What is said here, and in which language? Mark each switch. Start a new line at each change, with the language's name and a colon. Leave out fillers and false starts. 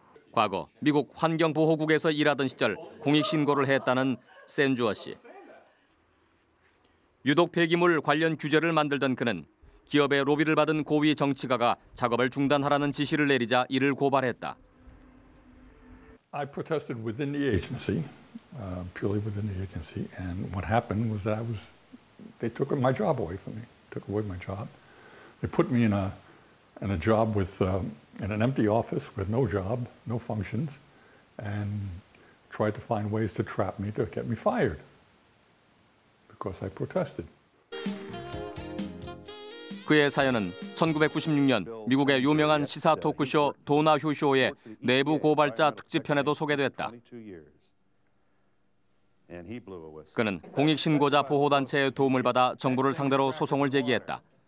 Korean: 과거 미국 환경보호국에서 일하던 시절 공익신고를 했다는 샌주어 씨. 유독 폐기물 관련 규제를 만들던 그는 기업의 로비를 받은 고위 정치가가 작업을 중단하라는 지시를 내리자 이를 고발했다.
English: I protested within the agency, purely within the agency, and what happened was that I was, they took my job away from me, took away my job. They put me in a job with, in an empty office with no job, no functions, and tried to find ways to trap me to get me fired because I protested.
Korean: 그의 사연은 1996년 미국의 유명한 시사 토크쇼 도나휴 쇼의 내부 고발자 특집편에도 소개됐다. 그는 공익신고자 보호단체의 도움을 받아 정부를 상대로 소송을 제기했다.